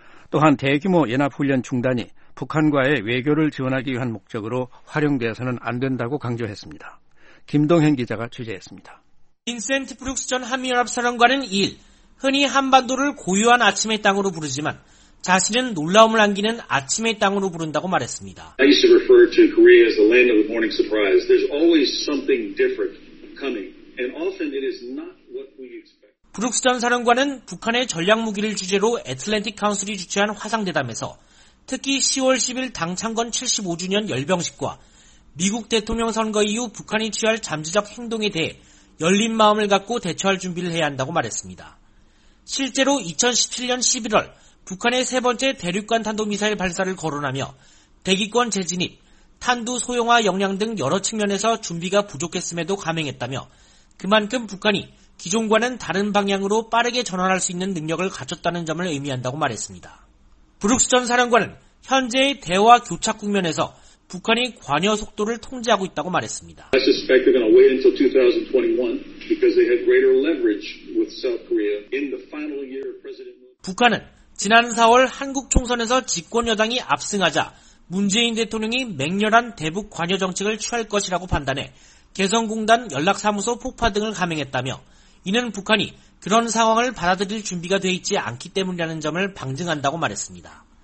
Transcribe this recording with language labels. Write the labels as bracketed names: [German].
[Korean] 또한 대규모 연합훈련 중단이 북한과의 외교를 지원하기 위한 목적으로 활용되어서는 안 된다고 강조했습니다. 김동현 기자가 취재했습니다. 빈센트 브룩스 전 한미연합사령관은 2일 흔히 한반도를 고요한 아침의 땅으로 부르지만 자신은 놀라움을 안기는 아침의 땅으로 부른다고 말했습니다. [English] I used to refer to Korea as the land of the morning surprise. There's always something different coming, and often it is not what we expect. [Korean] 브룩스 전 사령관은 북한의 전략 무기를 주제로 애틀랜틱 카운슬이 주최한 화상 대담에서 특히 10월 10일 당창건 75주년 열병식과 미국 대통령 선거 이후 북한이 취할 잠재적 행동에 대해 열린 마음을 갖고 대처할 준비를 해야 한다고 말했습니다. 실제로 2017년 11월 북한의 세 번째 대륙간 탄도미사일 발사를 거론하며 대기권 재진입, 탄두 소형화 역량 등 여러 측면에서 준비가 부족했음에도 감행했다며 그만큼 북한이 기존과는 다른 방향으로 빠르게 전환할 수 있는 능력을 갖췄다는 점을 의미한다고 말했습니다. 브룩스 전 사령관은 현재의 대화 교착 국면에서 북한이 관여 속도를 통제하고 있다고 말했습니다. [English] I suspect they're going to wait until 2021 because they have greater leverage with South Korea in the final year of President Moon. [Korean] 북한은 지난 4월 한국 총선에서 집권 여당이 압승하자 문재인 대통령이 맹렬한 대북 관여 정책을 취할 것이라고 판단해 개성공단 연락사무소 폭파 등을 감행했다며 이는 북한이 그런 상황을 받아들일 준비가 돼 있지 않기 때문이라는 점을 방증한다고 말했습니다.